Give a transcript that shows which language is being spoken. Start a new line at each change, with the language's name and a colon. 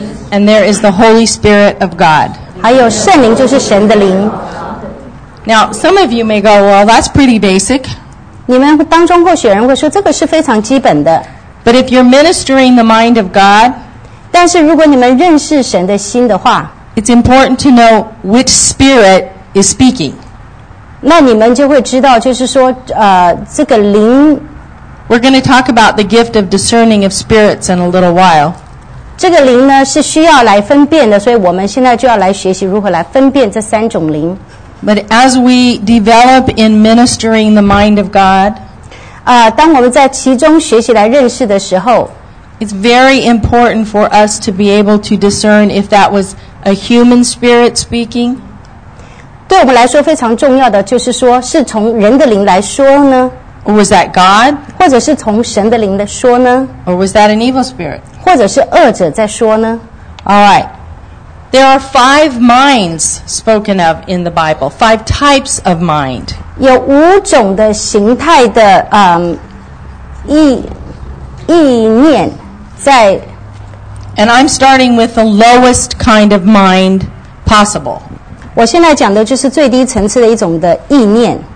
English: And there is the Holy Spirit of God.
Chinese: 还有圣灵就是神的灵。
English: Now, some of you may go, well, that's pretty basic.
Chinese: 你们当中或许有人会说，这个是非常基本的。
English: But if you're ministering the mind of God,
Chinese: 但是如果你们认识神的心的话
English: it's important to know which spirit is speaking.
Chinese: 那你们就会知道，就是说，这个灵。
English: We're going to talk about the gift of discerning of spirits in a little while.
Chinese: 这个灵呢是需要来分辨的，所以我们现在就要来学习如何来分辨这三种灵。
English: But as we develop in ministering the mind of God,
Chinese: 当我们在其中学习来认识的时候，
English: it's very important for us to be able to discern if that was a human spirit speaking.
Chinese: 对我们来说非常重要的就是说，是从人的灵来说呢？
English: Or was that God?
Chinese: 或者是从神的灵的说呢?
English: Or was that an evil spirit?
Chinese: 或者是恶者在说呢?
English: All right. There are five minds spoken of in the Bible. Five types of mind.
Chinese: 有五种的形态的意念在。
English: And I'm starting with the lowest kind of mind possible.
Chinese: 我现在讲的就是最低层次的一种的意念。